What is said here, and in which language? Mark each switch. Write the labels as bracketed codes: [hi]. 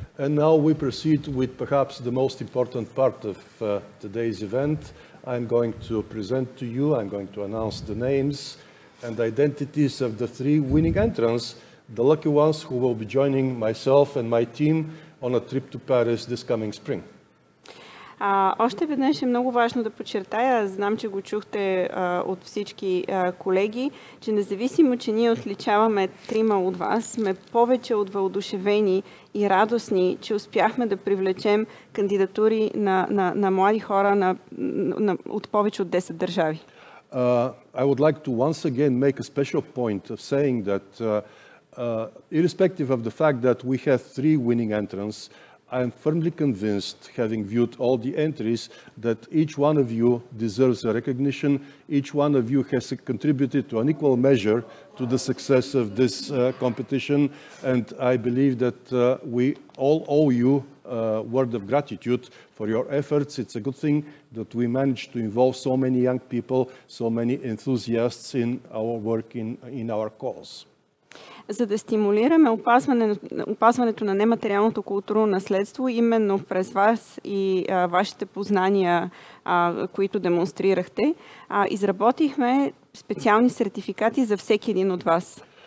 [en] And now we proceed with perhaps the most important part of today's event. I'm going to present to you, I'm going to announce the names and identities of the three winning entrants, the lucky ones who will be joining myself and my team on a trip to Paris this coming spring. [bg] Още веднъж е много важно да подчертая, знам, че го чухте от всички колеги, че независимо, че ние отличаваме трима от вас, сме повече от въодушевени и радостни, че успяхме да привлечем кандидатури на млади хора от повече от 10 държави. [en] I would like to once again make a special point of saying that irrespective of the fact that we have three winning entrants, I am firmly convinced, having viewed all the entries, that each one of you deserves a recognition. Each one of you has contributed to an equal measure to the success of this competition. And I believe that we all owe you a word of gratitude for your efforts. It's a good thing that we managed to involve so many young people, so many enthusiasts in our work, in our cause. [bg] За да стимулираме опазването на нематериалното културно наследство, именно през вас и вашите познания, които демонстрирахте, изработихме специални сертификати за всеки един от вас.